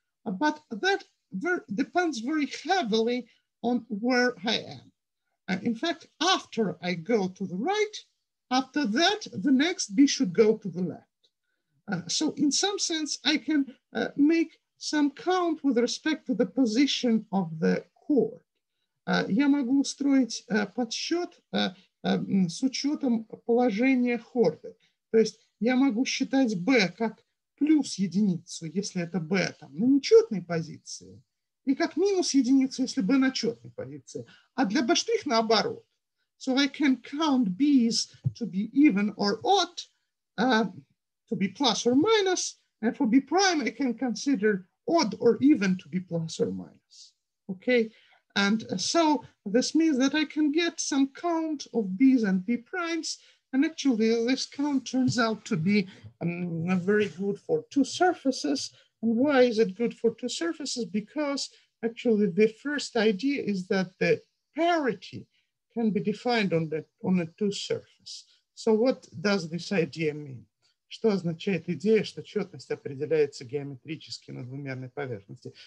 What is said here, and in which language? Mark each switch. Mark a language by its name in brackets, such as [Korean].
[English] But that depends very heavily on where I am. In fact, after I go to the right, after that, the next B should go to the left. So in some sense, I can make some count with respect to the position of the chord. [Russian] Я могу устроить подсчет с учетом положения хорда. То есть я могу считать B как плюс единицу, если это B там, на нечетной позиции, и как минус единицу, если B на четной позиции. А для B' наоборот. [English] So I can count B's to be even or odd, to be plus or minus, and for B prime, I can consider odd or even to be plus or minus, okay? And so this means that I can get some count of B's and B primes, and actually this count turns out to be very good for two surfaces. And why is it good for two surfaces? Because actually the first idea is that the parity can be defined on a two surface. So what does this idea mean? [Russian] Что означает идея, что четность определяется геометрически на двумерной поверхности.